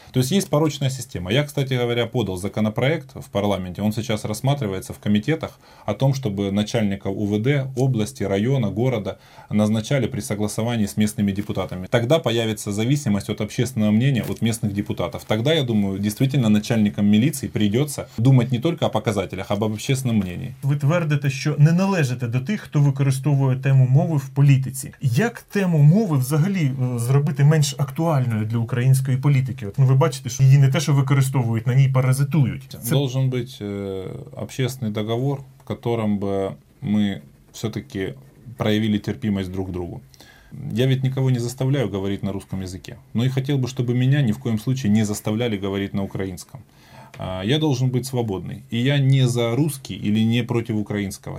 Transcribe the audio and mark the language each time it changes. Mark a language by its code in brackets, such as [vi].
[ru] То есть порочная система. Я, кстати говоря, подал законопроект в парламенте, он сейчас рассматривается в комитетах, о том, чтобы начальника УВД области, района, города назначали при согласовании с местными депутатами. Тогда появится зависимость от общественного мнения от местных депутатов. Тогда, я думаю, действительно начальникам милиции придется думать не только о показателях, а об общественном мнении. [uk] Ви твердите, що не належите до тих, хто використовує тему мови в політиці. Як тему мови взагалі зробити менш актуальною для української політики? Ну, ви бачите, що її не те, що використовують, на ній паразитують. [ru] Це должен бути общественний договор, в котором бы мы все-таки проявили терпимость друг к другу. Я ведь никого не заставляю говорить на русском языке, но и хотел бы, чтобы меня ни в коем случае не заставляли говорить на украинском. Я должен быть свободный. И я не за русский или не против украинского.